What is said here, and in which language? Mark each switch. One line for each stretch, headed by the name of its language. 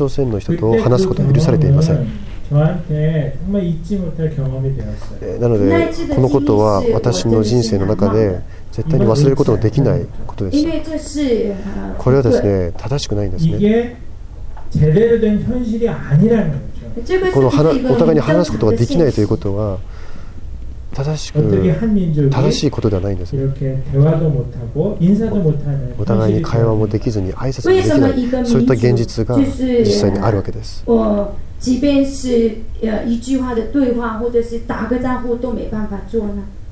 Japanese: そして韓国の国家安保法という法律によってではですね、北朝鮮の人と話すことは許されていません。
Korean: 저한테 정말 잊지 못할 경험이 되었어요.
Japanese: なのでこのことは私の人生の中で 絶対に 忘れることができない ことです。これはですね、 正しくないんですね。
Korean: 이게 제대로 된 현실이 아니라는 거죠.
Japanese: このお互いに話すことができないということは 正しいことではないんです。
Korean: 이렇게 대화도 못하고 인사도 못하는
Japanese: お互いに 会話も できずに 挨拶も できない そういった現実が 実際に あるわけです。
Chinese: 即便是 一句话的
Korean: 대화
Chinese: 或者是 打个招呼 都没办法做呢。